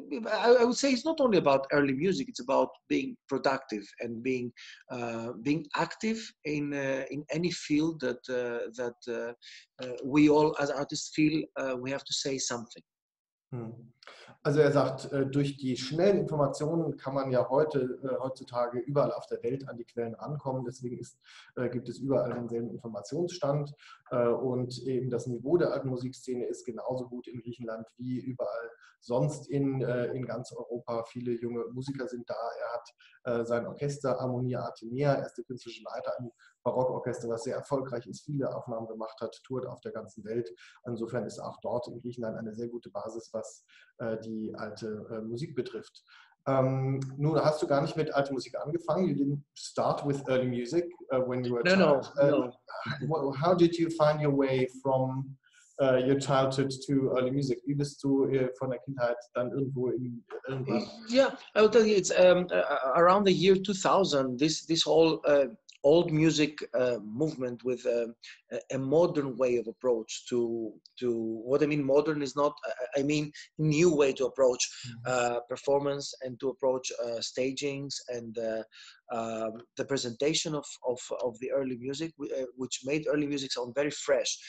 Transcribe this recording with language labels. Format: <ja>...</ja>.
<en>I would say it's not only about early music, it's about being productive and being active in any field that we all as artists feel we have to say something.</en> <de>Also er sagt, durch die schnellen Informationen kann man ja heutzutage überall auf der Welt an die Quellen rankommen. Deswegen gibt es überall denselben Informationsstand. Und eben das Niveau der alten Musikszene ist genauso gut in Griechenland wie überall sonst in ganz Europa. Viele junge Musiker sind da. Er hat sein Orchester Harmonia Athenaea, er ist der künstlerische Leiter im Barockorchester, was sehr erfolgreich ist, viele Aufnahmen gemacht hat, tourt auf der ganzen Welt. Insofern ist auch dort in Griechenland eine sehr gute Basis, was die alte Musik betrifft. Nun hast du gar nicht mit alter Musik angefangen.</de> <en>You didn't start with early music when you were a child. No. How did you find your way from your childhood to early music?</en> <de>Wie bist du von der Kindheit dann irgendwo in irgendwas?</de> <en>Yeah, I will tell you. It's around the year 2000. This whole old music movement with a modern way of approach to what I mean modern is not, I mean new way to approach performance and to approach stagings and the presentation of the early music, which made early music sound very fresh.</en>